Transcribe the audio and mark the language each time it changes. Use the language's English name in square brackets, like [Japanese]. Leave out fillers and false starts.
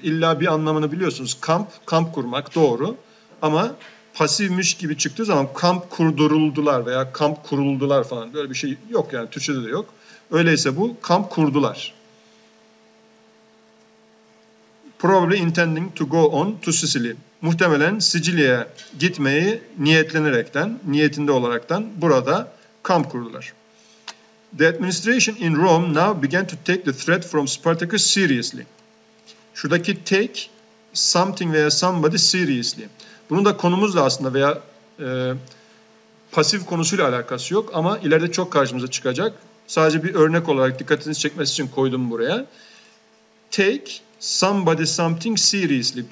[Turkish] İlla bir anlamını biliyorsunuz. Kamp, kamp kurmak doğru. Ama pasifmiş gibi çıktığı zaman kamp kurduruldular veya kamp kuruldular falan böyle bir şey yok yani Türkçe'de de yok. Öyleyse bu kamp kurdular. [English] Probably intending to go on to Sicily. [Turkish] Muhtemelen Sicilya'ya gitmeyi niyetlenerekten, niyetinde olaraktan burada kamp kurdular. [English] The administration in Rome now began to take the threat from Spartacus seriously. [Turkish] Şuradaki take something veya somebody seriously. Bunun da konumuzla aslında veya pasif konusuyla alakası yok ama ileride çok karşımıza çıkacak. Sadece bir örnek olarak dikkatinizi çekmesi için koydum buraya. [English] Take somebody something seriously.